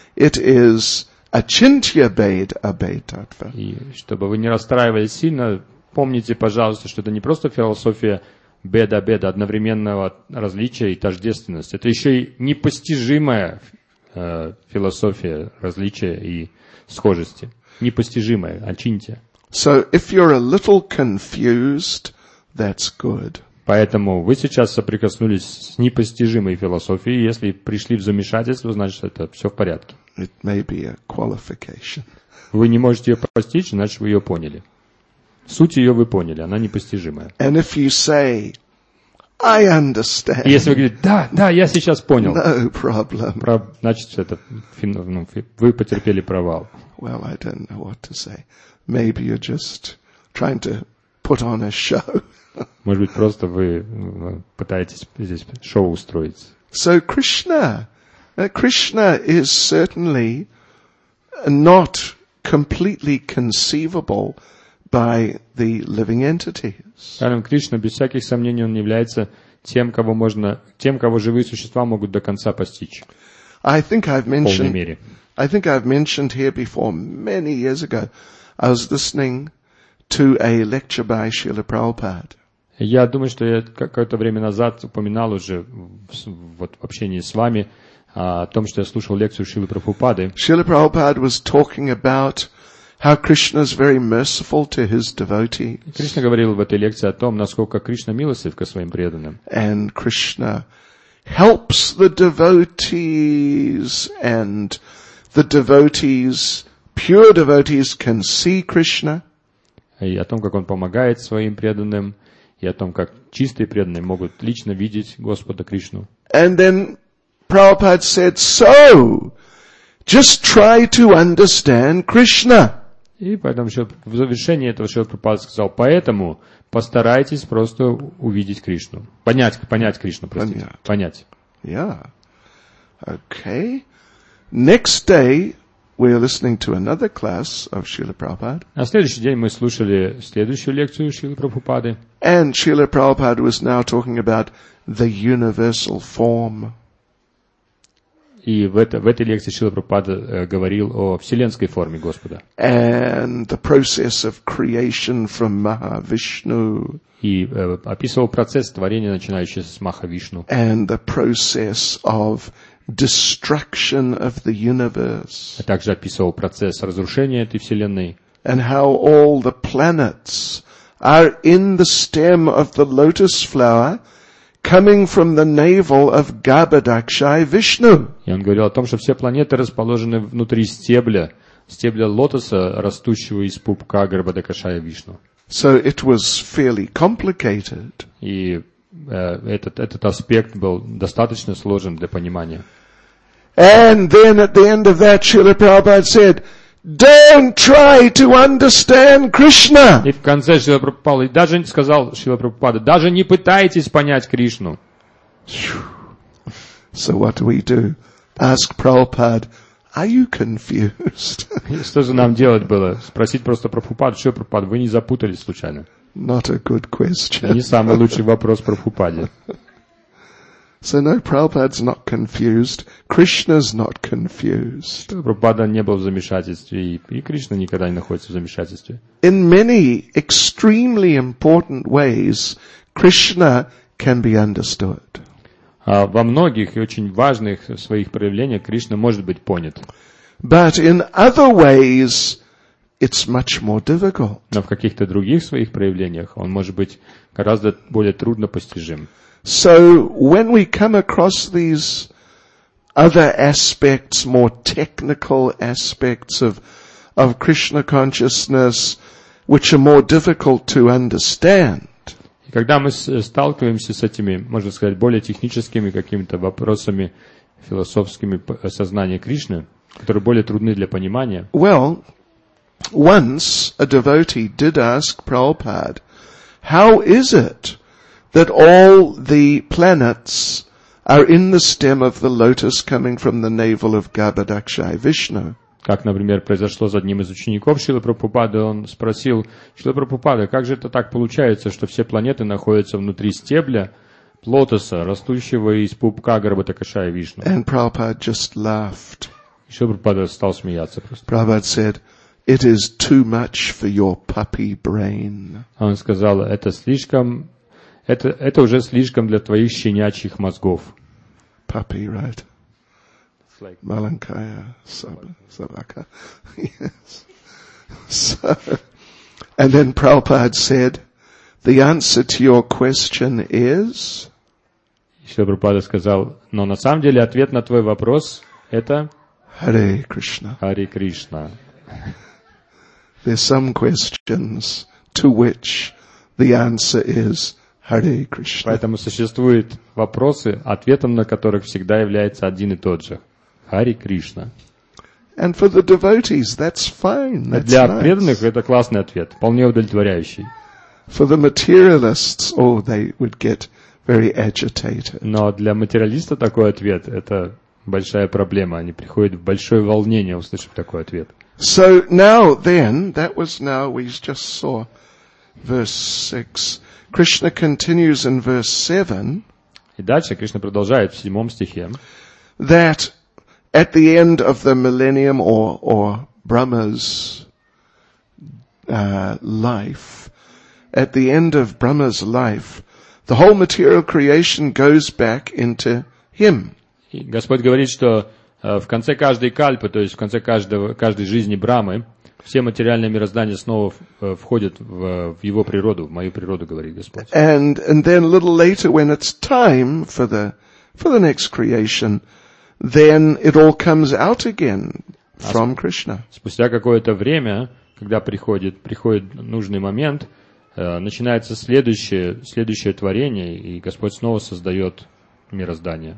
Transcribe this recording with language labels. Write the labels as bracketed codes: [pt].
[en] It is achintya bhed abhed tattva. [ru] И чтобы вы не расстраивались сильно, помните, пожалуйста, что это не просто философия bhed abhed, одновременного различия и тождественности. Это еще и непостижимая философия различия и схожести. Непостижимая, achintya. [en] So if you're a little confused, that's good. [ru] Поэтому вы сейчас соприкоснулись с непостижимой философией. Если пришли в замешательство, значит, это все в порядке. [en] It may be a qualification. [ru] Вы не можете ее постичь, значит, вы ее поняли. Суть ее вы поняли, она непостижимая. [en] And if you say, I understand. [ru] Если вы говорите, да, да, я сейчас понял. [en] No problem. [ru] Значит, это, ну, вы потерпели провал. [en] Well, I don't know what to say. Maybe you're just trying to put on a show. [ru] Может быть, просто вы пытаетесь здесь шоу устроить. [en] So Krishna, Krishna is certainly not completely conceivable by the living entities. [ru] Скажем, Кришна без всяких сомнений он является тем, кого можно, тем, кого живые существа могут до конца постичь. [en] I think I've mentioned. Here before many years ago. I was listening to a lecture by Srila Prabhupada. [ru] Я думаю, что я какое-то время назад упоминал уже вот в общении с вами о том, что я слушал лекцию Шрилы Прабхупады. [en] Srila Prabhupada was talking about how Krishna is very merciful to his devotees. [ru] Кришна говорил в этой лекции о том, насколько Кришна милостив ко своим преданным. [en] And Krishna helps the devotees, and the devotees, pure devotees, can see Krishna. [ru] И о том, как он помогает своим преданным, и о том, как чистые преданные могут лично видеть Господа Кришну. [en] And then Prabhupada said, "So, just try to understand Krishna." [ru] И поэтому еще в завершении этого Шрила Прабхупада сказал, поэтому постарайтесь просто увидеть Кришну. Понять Кришну, простите. Понять. [en] Yeah. Okay. Next day we are listening to another class of Srila Prabhupada. [ru] На следующий день мы слушали следующую лекцию Шрилы Прабхупады. [en] And Srila Prabhupada was now talking about the universal form. [ru] И в этой лекции Шрила Прабхупада говорил о вселенской форме Господа. [en] And the process of creation from Mahavishnu. [ru] И описывал процесс творения, начинающийся с Махавишну. [en] And the process of destruction of the universe. [ru] А также описывал процесс разрушения этой вселенной. [en] And how all the planets are in the stem of the lotus flower, coming from the navel of Garbhadakshay Vishnu. [ru] И он говорил о том, что все планеты расположены внутри стебля лотоса, растущего из пупка Гарбхадакшая Вишну. [en] So it was fairly complicated. [ru] И этот аспект был достаточно сложен для понимания. [en] And then at the end of that, Srila Prabhupada said, "Don't try to understand Krishna." [ru] И в конце Шрила Прабхупада даже сказал Шрила Прабхупада, даже не пытайтесь понять Кришну. [en] So what do? Ask Prabhupada, are you confused? [ru] Что же нам делать было? Спросить просто Прабхупаду, что Прабхупада, вы не запутались случайно? [en] Not a good question. [ru] Не самый лучший вопрос Прабхупаде. [en] So no, Prabhupada's not confused. Krishna's not confused. [ru] Прабхупада не был в замешательстве, и Кришна никогда не находится в замешательстве. [en] In many extremely important ways, Krishna can be understood. [ru] Во многих и очень важных своих проявлениях Кришна может быть понят. [en] But in other ways, it's much more difficult. [ru] Но в каких-то других своих проявлениях он может быть гораздо более трудно постижим. [en] So when we come across these other aspects, more technical aspects of Krishna consciousness, which are more difficult to understand. [ru] И когда мы сталкиваемся с этими, можно сказать, более техническими какими-то вопросами философскими сознания Кришны, которые более трудны для понимания. [en] Well, once a devotee did ask Prabhupada, "How is it that all the planets are in the stem of the lotus coming from the navel of Garbhadakshay Vishnu?" [ru] Как, например, произошло с одним из учеников Шрилы Прабхупады, он спросил: "Шрила Прабхупада, как же это так получается, что все планеты находятся внутри стебля лотоса, растущего из пупка Гарбхадакшая Вишну?" [en] And Prabhupada just laughed. [ru] Шрила Прабхупада стал смеяться просто. [en] Prabhupada said, "It is too much for your puppy brain." [ru] Он сказал: Это уже слишком для твоих щенячьих мозгов. [en] Puppy, right? Like [ru] Маленькая собака. [en] Yes. So, and then Prabhupada said, "The answer to your question is." [ru] Еще Прабхупада сказал, но на самом деле ответ на твой вопрос это. [sa] Hare Krishna. Hare Krishna. [en] There's some questions to which the answer is Hare Krishna. [ru] Поэтому существуют вопросы, ответом на которых всегда является один и тот же. [sa] Hare Krishna. [en] And for the devotees, that's fine. That's [ru] для преданных это классный ответ, вполне удовлетворяющий. [en] For the materialists, they would get very agitated. [ru] Но для материалиста такой ответ это большая проблема. Они приходят в большое волнение, услышав такой ответ. [en] So now then, that was now we just saw verse 6. Krishna continues in verse 7. [ru] И дальше Кришна продолжает в седьмом стихе. [en] That at the end of the millennium or Brahma's life, at the end of Brahma's life, the whole material creation goes back into him. [ru] И Господь говорит, что в конце каждой кальпы, то есть в конце каждой жизни Брамы, все материальные мироздания снова входят в его природу, в мою природу, говорит Господь. [en] And then a little later, when it's time for the next creation, then it all comes out again from Krishna. [ru] Спустя какое-то время, когда приходит нужный момент, начинается следующее творение, и Господь снова создает мироздание.